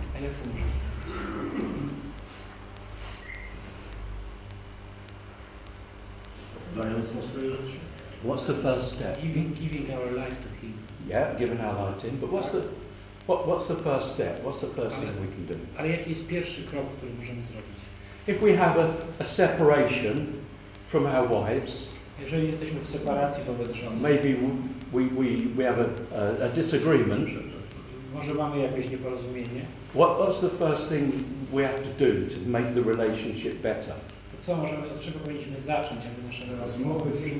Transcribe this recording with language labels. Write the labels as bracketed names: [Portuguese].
[Polish] A jak to możemy zrobić? Dając mu swoje życie. [English] What's the first step? Giving our life to Him. Yeah, giving our life to Him. But what's the first step? What's the first thing we can do? [Polish] Ale jaki jest pierwszy krok, który możemy zrobić? [English] If we have a separation from our wives, [Polish] jeżeli jesteśmy w separacji wobec żony, [English] maybe we have a disagreement. [Polish] Może mamy jakieś nieporozumienie. [English] What's the first thing we have to do to make the relationship better? [Polish] Co możemy, od czego powinniśmy zacząć, aby nasze rozmowy